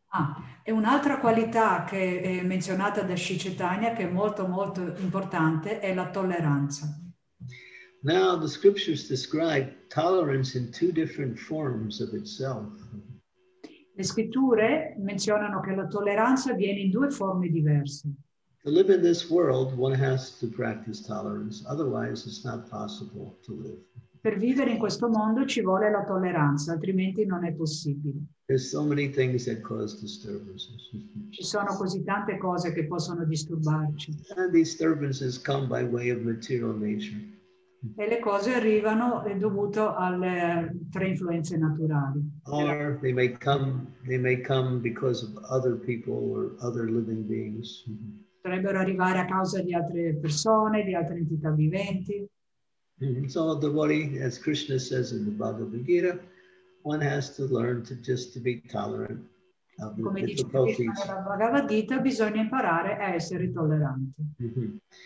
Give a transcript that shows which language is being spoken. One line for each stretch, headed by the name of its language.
Italian: Ah, è un'altra qualità che è menzionata da Sri Chaitanya che è molto molto importante, è la tolleranza.
English: Now the scriptures describe tolerance in two different forms of itself.
Italian: Le scritture menzionano che la tolleranza viene in due forme diverse.
English: To live in this world, one has to practice tolerance, otherwise it's not possible to live.
Italian: Per vivere in questo mondo ci vuole la tolleranza, altrimenti non è possibile.
English: There's so many things that cause disturbances.
Italian: Ci sono così tante cose che possono disturbarci.
English: And these disturbances come by way of material nature.
Italian: E le cose arrivano dovuto alle tre influenze naturali.
English: Or they may come because of other people or other living beings.
Italian: Potrebbero arrivare a causa di altre persone, di altre entità viventi.
English: So the body, as Krishna says in the Bhagavad Gita, one has to learn to just to be tolerant of the difficulties.
Italian: Come dice la Bhagavad Gita, bisogna imparare a essere tolleranti.